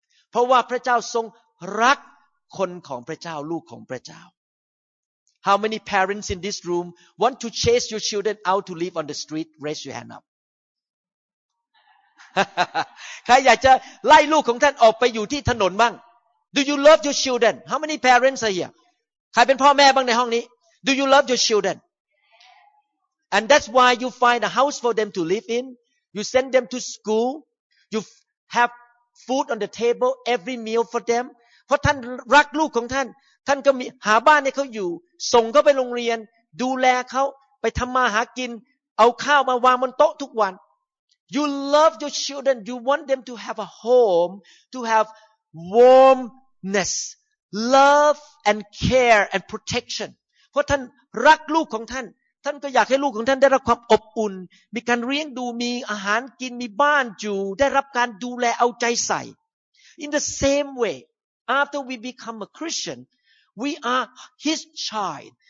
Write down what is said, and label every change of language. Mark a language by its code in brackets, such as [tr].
[th] เพราะว่าพระเจ้าทรงรักคนของพระเจ้าลูกของพระเจ้า [en] How many parents in this room want to chase your children out to live on the street? Raise your hand up. [th] ใครอยากจะไล่ลูกของท่านออกไปอยู่ที่ถนนบ้าง [en] Do you love your children? How many parents are here? [th] ใครเป็นพ่อแม่บ้างในห้องนี้ [en] Do you love your children? And that's why you find a house for them to live in. You send them to school. You have food on the table every meal for them. [th] เพราะท่านรักลูกของท่านท่านก็มีหาบ้านให้เขาอยู่ส่งเขาไปโรงเรียนดูแลเขาไปทำมาหากินเอาข้าวมาวางบนโต๊ะทุกวัน [en] You love your children you want them to have a home to have warmness love and care and protection [th] เพราะท่านรักลูกของท่านท่านก็อยากให้ลูกของท่านได้รับความอบอุ่นมีการเลี้ยงดูมีอาหารกินมีบ้านอยู่ได้รับการดูแลเอาใจใส่ [en] In the same way after we become a ChristianWe are His child.